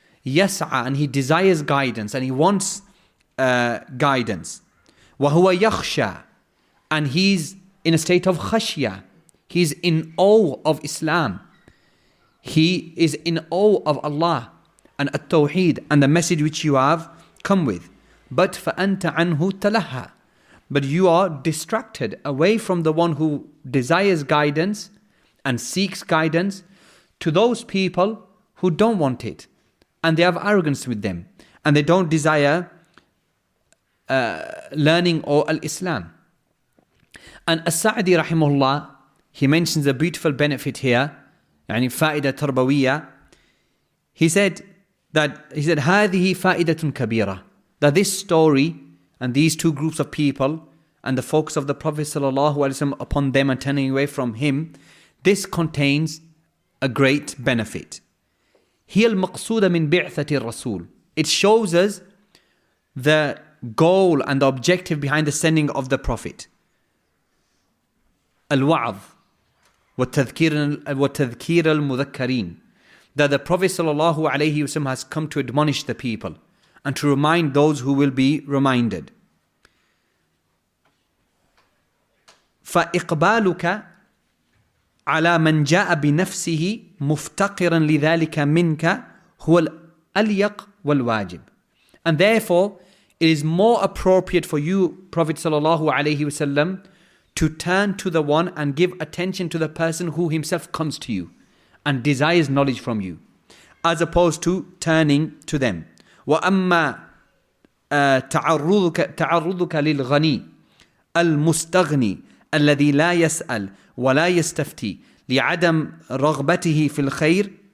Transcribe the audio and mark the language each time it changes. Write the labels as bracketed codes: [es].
[en] Yas'a, and he desires guidance, and he wants guidance. Wahuwa yakhsha, and he's in a state of khashya. He's in awe of Islam. He is in awe of Allah and at-tawheed and the message which you have come with. But [ar] فَأَنْتَ عَنْهُ تَلَهَّى. [en] But you are distracted away from the one who desires guidance and seeks guidance to those people who don't want it. And they have arrogance with them. And they don't desire learning or al-Islam. And As-Sa'di rahimahullah, he mentions a beautiful benefit here, [ar] يعني فائدة تربوية. [en] He said, that he said [ar] هذه فائدة كبيرة, [en] that this story and these two groups of people and the focus of the Prophet sallallahu alaihi wasallam upon them and turning away from him, this contains a great benefit. [ar] هي المقصودة من بعثة الرسول. [en] It shows us the goal and the objective behind the sending of the Prophet. [ar] الوعظ والتذكير المذكرين, [en] that the Prophet sallallahu alaihi wasallam has come to admonish the people and to remind those who will be reminded. [ar] فإقبالك على من جاء بنفسه مفتقرا لذلك منك هو الأليق والواجب. [en] And therefore, it is more appropriate for you, Prophet sallallahu alaihi wasallam, to turn to the one and give attention to the person who himself comes to you and desires knowledge from you, as opposed to turning to them. [ar] وَأَمَّا تَعَرُّضُكَ لِلْغَنِيِّ الْمُسْتَغْنِي الَّذِي لَا يَسْأَلْ وَلَا يَسْتَفْتِي لِعَدَمْ رَغْبَتِهِ فِي الْخَيْرِ.